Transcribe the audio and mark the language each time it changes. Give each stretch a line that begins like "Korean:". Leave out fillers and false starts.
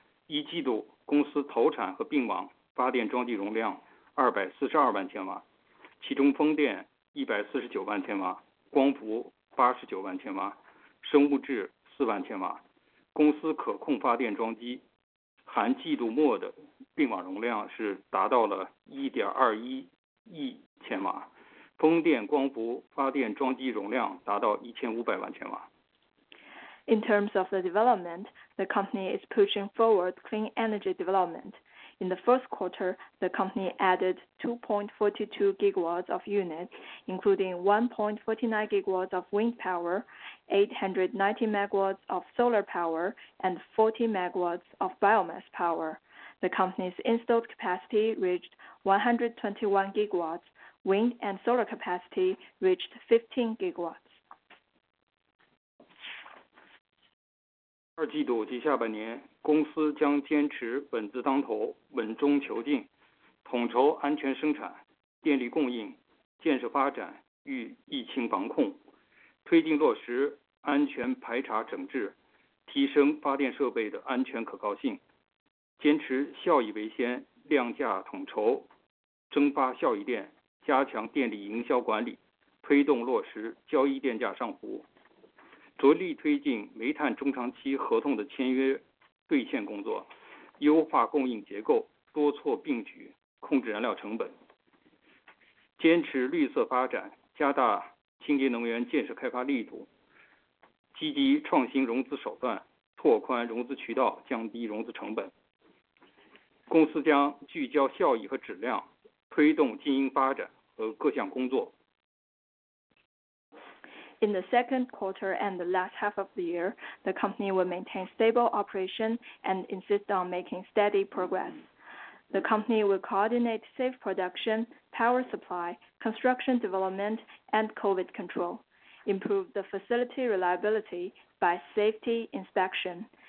Chinese: 一季度，公司投产和并网发电装机容量242万千瓦，其中风电149万千瓦，光伏89万千瓦，生物质4万千瓦。公司可控发电装机含季度末的并网容量是达到了1.21亿千瓦，风电、光伏发电装机容量达到1500万千瓦。
English: In terms of the development, the company is pushing forward clean energy development. In the first quarter, the company added 2.42 gigawatts of units, including 1.49 gigawatts of wind power, 890 megawatts of solar power, and 40 megawatts of biomass power. The company's installed capacity reached 121 gigawatts, wind and solar capacity reached 15 gigawatts.
Chinese: 二季度及下半年，公司将坚持稳字当头、稳中求进，统筹安全生产、电力供应、建设发展与疫情防控，推进落实安全排查整治，提升发电设备的安全可靠性，坚持效益为先、量价统筹、蒸发效益电，加强电力营销管理，推动落实交易电价上浮。着力推进煤炭中长期合同的签约兑现工作，优化供应结构，多措并举控制燃料成本，坚持绿色发展，加大清洁能源建设开发力度，积极创新融资手段，拓宽融资渠道，降低融资成本。公司将聚焦效益和质量，推动经营发展和各项工作。
English: In the second quarter and the last half of the year, the company will maintain stable operation and insist on making steady progress. The company will coordinate safe production, power supply, construction development, and COVID control, improve the facility reliability by safety inspection,